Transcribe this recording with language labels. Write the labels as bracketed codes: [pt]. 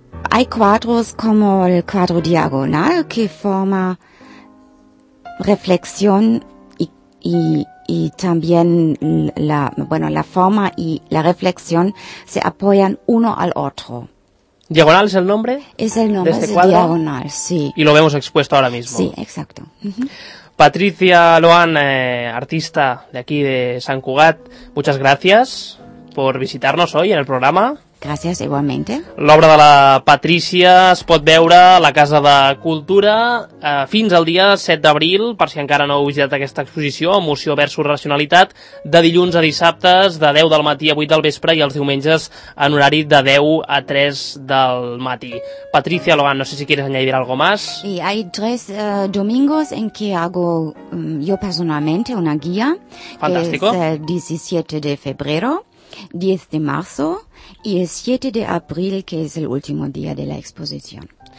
[es] Hay cuadros como el cuadro diagonal que forma reflexión y también la forma y la reflexión se apoyan uno al otro. ¿Diagonal es el nombre? Es el nombre, es el diagonal, sí. Y lo vemos expuesto ahora mismo. Sí, exacto. Patricia Loan, artista de aquí de San Cugat, muchas gracias por visitarnos hoy en el programa. [ca] Gràcies, igualmente. L'obra de la Patricia es pot veure a la Casa de Cultura fins al dia 7 d'abril, per si encara no heu visitat aquesta exposició, Emoció versus Racionalitat, de dilluns a dissabtes, de 10 del matí a 8 del vespre, i els diumenges en horari de 10 a 3 del matí. [es] Patricia Loan, no sé si quieres añadir algo más. Sí, hay tres domingos en que hago yo personalmente una guía. Fantástico. Que es el 17 de febrero, 10 de marzo y el 7 de abril, que es el último día de la exposición.